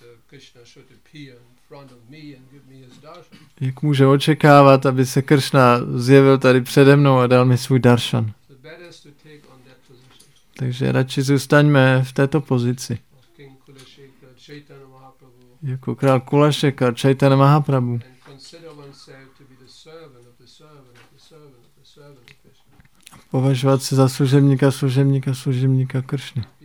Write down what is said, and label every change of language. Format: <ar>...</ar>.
<en>Krishna should appear in front of me and give me his darshan.</en> <cs>Jak může očekávat, aby se Krishna zjevil tady přede mnou a dal mi svůj darshan?</cs> <en>The better is to take on that position.</en> <cs>Takže radši zůstaňme v této pozici.</cs> <en>King Kulashekha, Chaitanya Mahaprabhu.</en> <cs>Jako král Kulašekha, Chaitanya Mahaprabhu.</cs> <en>And consider oneself to be the servant of the servant of the servant of the servant of Krishna.</en> <cs>Považovat se za služebníka, služebníka, služebníka Kršny.</cs>